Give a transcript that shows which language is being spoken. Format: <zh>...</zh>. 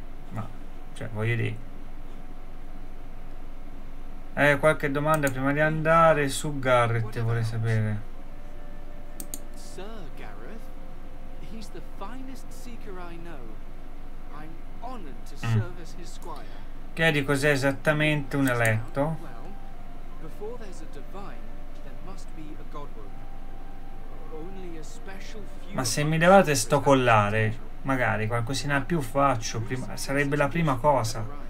<it>Ma cioè, voglio dire. Qualche domanda prima di andare su Garrett, vorrei sapere.</it> <en>Sir Gareth, he's the finest seeker I know. I'm honored to serve as his squire.</en> <it>Chiedi cos'è esattamente un eletto.</it> <en>Before there's a divine, there must be a godwoman.</en> <it>Ma se mi levate sto collare, magari qualcosina in più faccio prima, sarebbe la prima cosa.</it>